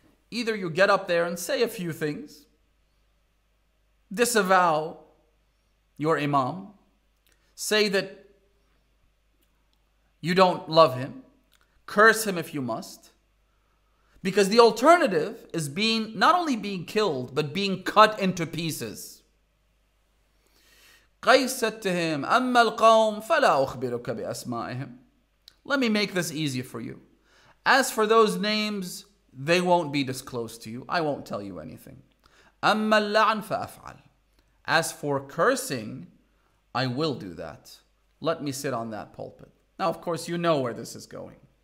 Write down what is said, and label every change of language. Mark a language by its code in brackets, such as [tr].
[en] Either you get up there and say a few things, disavow your imam, say that you don't love him, curse him if you must, because the alternative is being not only being killed, but being cut into pieces. Qays said to him, [ar] أَمَّا الْقَوْمُ فَلَا أُخْبِرُكَ بِأَسْمَائِهِمْ. [en] Let me make this easier for you. As for those names, they won't be disclosed to you. I won't tell you anything. [ar] أَمَّا اللَّعْنْ فَأَفْعَلْ. [en] As for cursing, I will do that. Let me sit on that pulpit. Now, of course, you know where this is going.